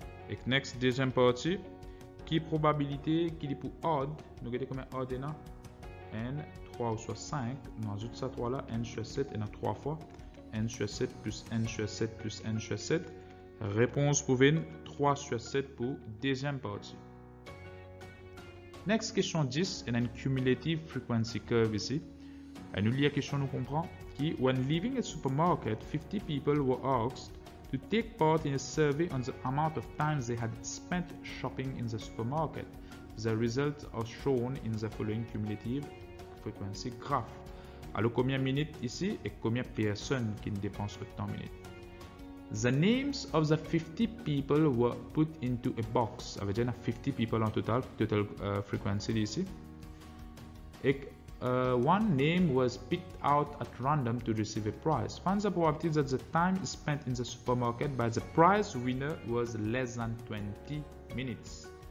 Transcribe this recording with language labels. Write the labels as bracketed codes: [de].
[fr] Et next, deuxième partie. Qui probabilité qui est pour odd? Nous regardons combien odd est là? N. 3 ou soit 5, nous ajoutons ça 3 là, n sur 7, il y en a 3 fois, n sur 7 plus n sur 7 plus n sur 7, réponse pour Vin, 3 sur 7 pour deuxième partie. [en] Next question 10, [fr] il y a une cumulative frequency curve ici, et nous lisons la question, nous comprenons, qui, [en] when leaving a supermarket, 50 people were asked to take part in a survey on the amount of time they had spent shopping in the supermarket. The results are shown in the following cumulative frequency graph. [fr] Alors combien de minutes ici et combien de personnes qui ne dépensent que tant de minutes. [en] The names of the 50 people were put into a box. [fr] Avec déjà 50 people en total, total frequency ici. [en] Et one name was picked out at random to receive a prize. Find the probability that the time spent in the supermarket by the prize winner was less than 20 minutes.